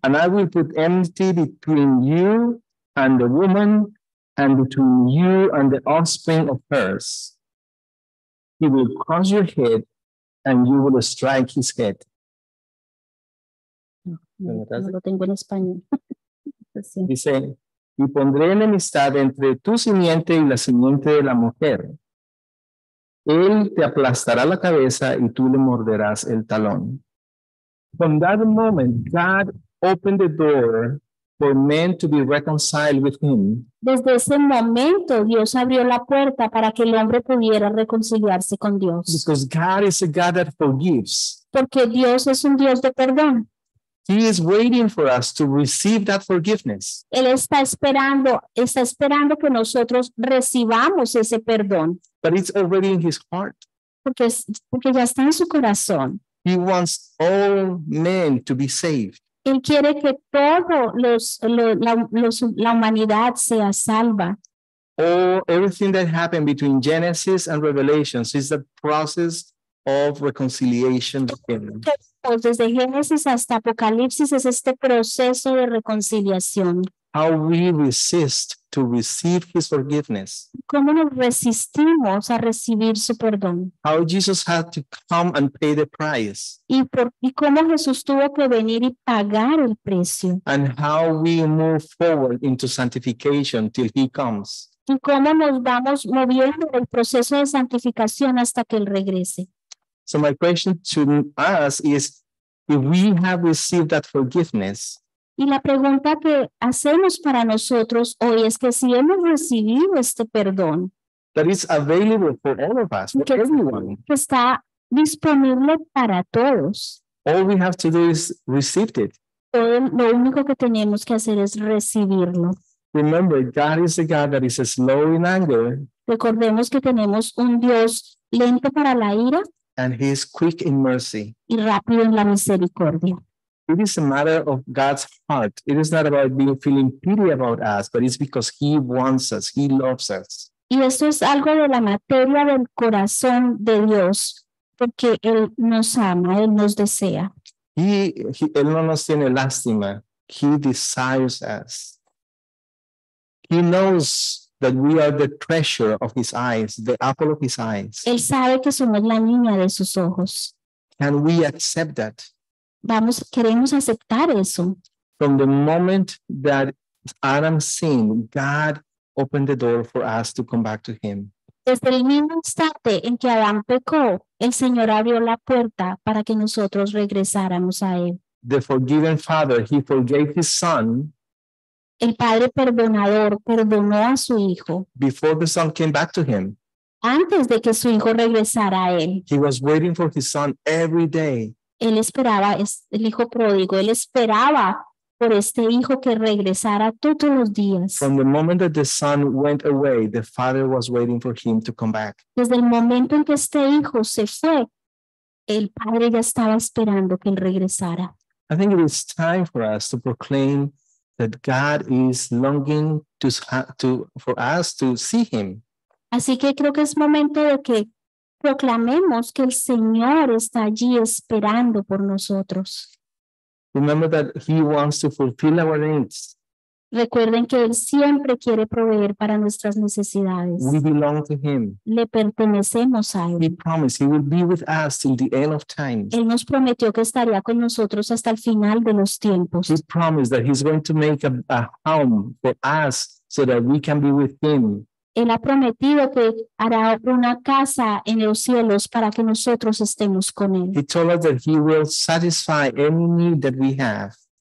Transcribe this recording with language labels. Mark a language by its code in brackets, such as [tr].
[en] And I will put enmity between you and the woman, and between you and the offspring of hers. He will crush your head, and you will strike his head. [es] No lo tengo en español. Dice, y pondré enemistad entre tu simiente y la simiente de la mujer. Él te aplastará la cabeza y tú le morderás el talón. [en] From that moment, God opened the door for men to be reconciled with him. [es] Desde ese momento, Dios abrió la puerta para que el hombre pudiera reconciliarse con Dios. [en] Because God is a God that forgives. [es] Porque Dios es un Dios de perdón. [en] He is waiting for us to receive that forgiveness. [es] Él está esperando que nosotros recibamos ese perdón. [en] But it's already in his heart. [es] Porque ya está en su corazón. [en] He wants all men to be saved. [es] Él quiere que toda la humanidad sea salva. [en] Everything that happened between Genesis and Revelation is the process of reconciliation. [es] Desde Génesis hasta Apocalipsis es este proceso de reconciliación. [en] How we resist to receive his forgiveness. [es] ¿Cómo nos resistimos a recibir su perdón? [en] How Jesus had to come and pay the price. [es] ¿Y cómo Jesús tuvo que venir y pagar el precio? [en] And how we move forward into sanctification till he comes. [es] ¿Y cómo nos vamos moviendo en el proceso de santificación hasta que él regrese? [en] So my question to us is, if we have received that forgiveness, [es] y la pregunta que hacemos para nosotros hoy es que si hemos recibido este perdón, [en] that is available for all of us, for everyone, [es] que está disponible para todos, [en] all we have to do is receive it. [es] Lo único que tenemos que hacer es recibirlo. [en] Remember, God is a God that is slow in anger. [es] Recordemos que tenemos un Dios lento para la ira. [en] And he is quick in mercy. [es] Y rápido en la misericordia. [en] It is a matter of God's heart. It is not about being feeling pity about us, but it's because he wants us. He loves us. [es] Y eso es algo de la materia del corazón de Dios, porque Él nos ama, Él nos desea. Él no nos tiene lástima. [en] He desires us. He knows that we are the treasure of His eyes, the apple of His eyes. [es] Él sabe que somos la niña de sus ojos. [en] And we accept that. [es] Vamos, queremos aceptar eso. [en] From the moment that Adam sinned, God opened the door for us to come back to Him. [es] Desde el mismo instante en que Adán pecó, el Señor abrió la puerta para que nosotros regresáramos a Él. [en] The forgiven Father, He forgave His Son. [es] El Padre perdonador perdonó a su Hijo. [en] Before the Son came back to Him. [es] Antes de que su Hijo regresara a Él. [en] He was waiting for His Son every day. [es] Él esperaba, el Hijo pródigo, Él esperaba por este Hijo que regresara todos los días. [en] From the moment that the Son went away, the Father was waiting for Him to come back. [es] Desde el momento en que este Hijo se fue, el Padre ya estaba esperando que Él regresara. [en] I think it is time for us to proclaim that God is longing for us to see Him. [es] Así que creo que es momento de que proclamemos que el Señor está allí esperando por nosotros. [en] Remember that He wants to fulfill our needs. [es] Recuerden que Él siempre quiere proveer para nuestras necesidades. [en] We belong to Him. [es] Le pertenecemos a Él. [en] He promised He will be with us till the end of time. [es] Él nos prometió que estaría con nosotros hasta el final de los tiempos. [en] He promised that He's going to make a home for us so that we can be with Him. [es] Él ha prometido que hará una casa en los cielos para que nosotros estemos con Él. [en] He told us that He will satisfy any need that we have.